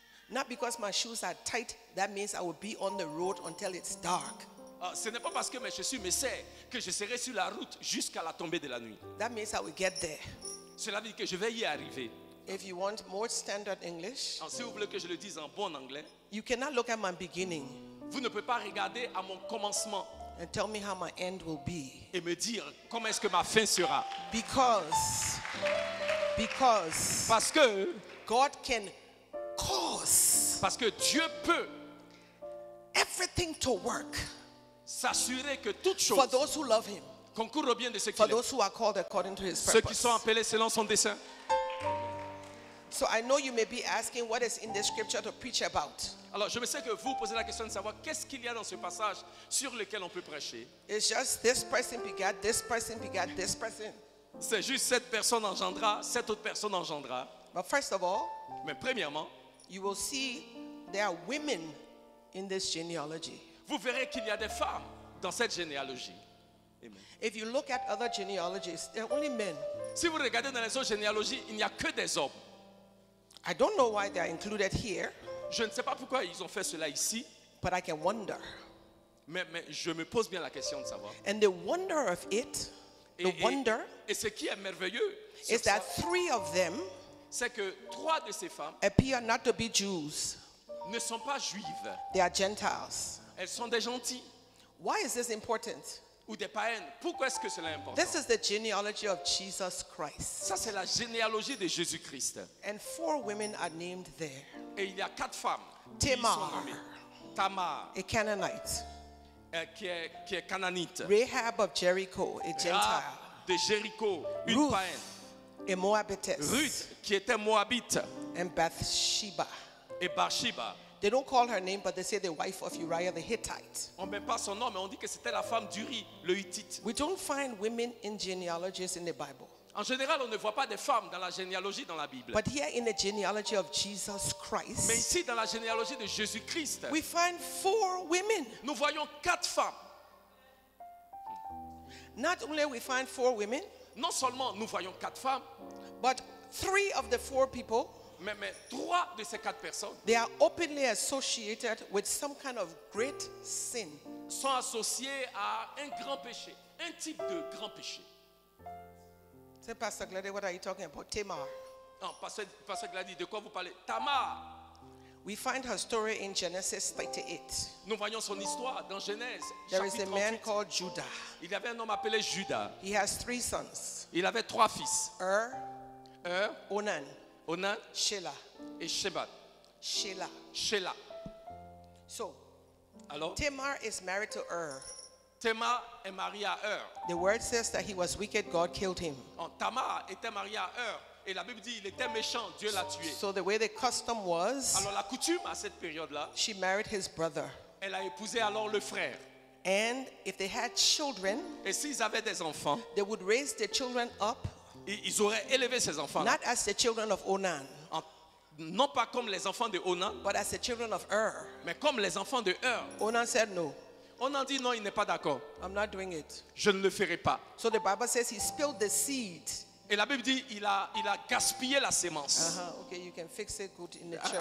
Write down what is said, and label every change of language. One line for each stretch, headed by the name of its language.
English: Not because my shoes are tight, that means I will be on the road until it's dark.
French: Ce n'est pas parce que mes chaussures me serrent que je serai sur la route jusqu'à la tombée de la nuit.
English: That means I will get there.
French: Cela veut dire que je vais y arriver.
English: If you want more standard English,
French: si vous voulez que je le dise en bon anglais,
English: you cannot look at my beginning.
French: Vous ne pouvez pas regarder à mon commencement.
English: And tell me how my end will be.
French: Et me dire comment est-ce que ma fin sera.
English: Because.
French: Parce que.
English: God can. Cause.
French: Parce que Dieu peut.
English: Everything to work.
French: S'assurer que toute chose.
English: For those who love him.
French: Concourt au bien de ceux qui l'aiment.
English: For those who are called according to his purpose.
French: Ceux qui sont appelés selon son dessein.
English: So I know you may be asking what is in this scripture to preach about.
French: Alors je me sais que vous posez la question de savoir qu'est-ce qu'il y a dans ce passage sur lequel on peut prêcher.
English: It's just this person begat, this person begat, this person.
French: C'est juste cette personne engendra, cette autre personne engendra.
English: But first of all.
French: Mais premièrement.
English: You will see there are women in this genealogy.
French: Vous verrez qu'il y a des femmes dans cette généalogie.
English: Amen. If you look at other genealogies, there are only men.
French: Si vous regardez dans les autres généalogies, il n'y a que des hommes.
English: I don't know why they are included here.
French: Je ne sais pas pourquoi ils ont fait cela ici.
English: But I can wonder.
French: Mais je me pose bien la question de savoir.
English: And the wonder of it, wonder.
French: Et ce qui est merveilleux,
English: is that three of them.
French: C'est que trois de ces femmes
English: appear not to be Jews.
French: Ne sont pas juives.
English: They are Gentiles.
French: Elles sont des gentils.
English: Why is this important?
French: Ou des païennes. Pourquoi est-ce que cela est important?
English: This is the genealogy of Jesus Christ.
French: Ça, c'est la généalogie de Jésus-Christ.
English: And four women are named there.
French: Et il y a quatre femmes.
English: Tamar.
French: Qui sont nommées. Tamar.
English: A Canaanite.
French: Qui est Canaanite.
English: Rahab of Jericho, a Gentile.
French: Rahab de Jéricho, une
English: Ruth.
French: Païenne. Et Moabites. Ruth, qui était Moabite.
English: And Bathsheba.
French: Et Bathsheba.
English: They don't call her name, but they say the wife of Uriah the Hittite.
French: On met pas son nom, mais on dit que c'était la femme d'Uri le Hittite.
English: We don't find women in genealogies in the Bible.
French: En général, on ne voit pas des femmes dans la généalogie dans la Bible.
English: But here in the genealogy of Jesus Christ.
French: Mais ici dans la généalogie de Jésus Christ.
English: We find four women.
French: Nous voyons quatre femmes.
English: Not only we find four women.
French: Non seulement nous voyons quatre femmes,
English: but three of the four people,
French: mais trois de ces quatre personnes,
English: they are openly associated with some kind of great sin.
French: Sont associés à un grand péché, un type de grand péché.
English: C'est Pastor Gladys, what are you talking about? Tamar.
French: Non, Pastor Gladys, de quoi vous parlez? Tamar.
English: We find her story in Genesis 38.
French: Nous voyons son histoire dans Genèse.
English: There is a man called Judah.
French: Il y avait un homme appelé Judah.
English: He has three sons.
French: Il avait trois fils.
English: Onan. Shelah.
French: Et Shebat.
English: Shelah. So.
French: Alors.
English: Tamar is married to
French: Tamar est mariée à
English: The word says that he was wicked. God killed him.
French: Tamar était mariée à Et la Bible dit il était méchant, Dieu l'a tué.
English: So the way the custom was,
French: alors la coutume à cette période-là,
English: she married his brother.
French: Elle a épousé alors le frère.
English: And if they had children,
French: et s'ils avaient des enfants,
English: they would raise their children up,
French: ils auraient élevé ces enfants.
English: Not as the children of Onan,
French: non pas comme les enfants de Onan,
English: but as the children of
French: mais comme les enfants de
English: Onan said no.
French: On en dit non, il n'est pas d'accord.
English: I'm not doing it.
French: Je ne le ferai pas.
English: So the Bible says he spilled the seed.
French: Et la Bible dit il a gaspillé la semence.
English: Uh-huh, okay, you can fix it good in the church.